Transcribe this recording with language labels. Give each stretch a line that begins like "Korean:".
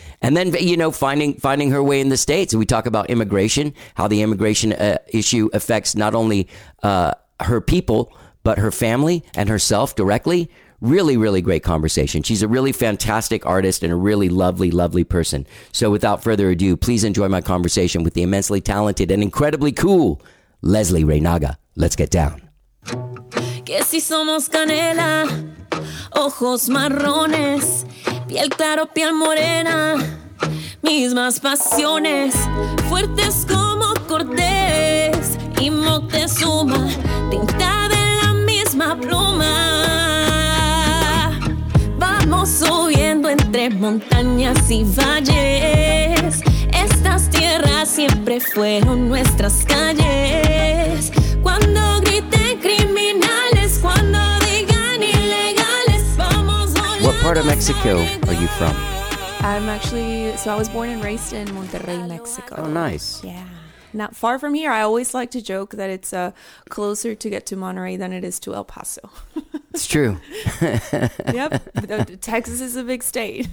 English: And then, you know, finding her way in the States. We talk about immigration, how the immigration issue affects not only her people, but her family and herself directly. Really, really great conversation. She's a really fantastic artist and a really lovely, lovely person. So without further ado, please enjoy my conversation with the immensely talented and incredibly cool Leslie Reynaga. Let's get down.
Spanish: Que si somos canela, ojos marrones, piel claro, piel morena, mismas pasiones, fuertes como Cortés y Moctezuma, tinta de la misma pluma. Vamos subiendo entre montañas y valles, estas tierras siempre fueron nuestras calles. Cuando griten criminales, cuando digan ilegales, vamos volando.
English: What part of Mexico are you from? I'm actually, so I was born and raised in Monterrey, Mexico. Oh, nice. Yeah. Not far from here. I always like to joke that it's closer to get to Monterrey than it is to El Paso. It's true. Yep. Texas is a big state.